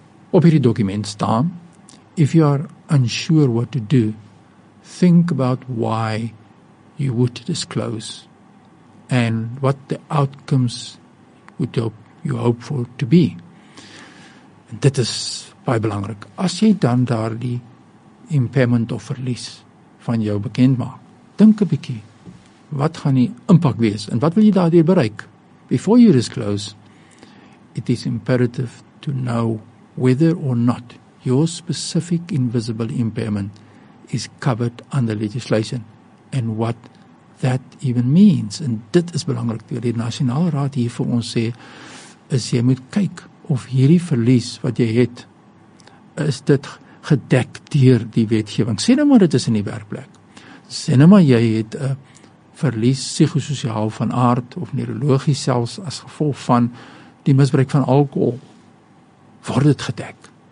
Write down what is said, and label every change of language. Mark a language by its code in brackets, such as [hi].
[af] Op hierdie dokument staan, [en] if you are unsure what to do, think about why you would disclose and what the outcomes would you hope for to be. [af] En dit is baie belangrik. As jy dan daar die impairment of verlies van jou bekend maak, dink 'n bietjie, wat gaan die impak wees en wat wil jy daardeur bereik? [en] Before you disclose, it is imperative to know whether or not your specific invisible impairment is covered under legislation and what that even means. [af] En dit is belangrik, die Nationale Raad hier vir ons sê, is jy moet kyk of hierdie verlies wat jy het, is dit gedek deur die wetgewing. Sê nou maar dit is in die werkplek. Sê nou maar jy het 'n verlies psigososiaal van aard of neurologies selfs as gevolg van die misbruik van alkohol. Word dit gedek?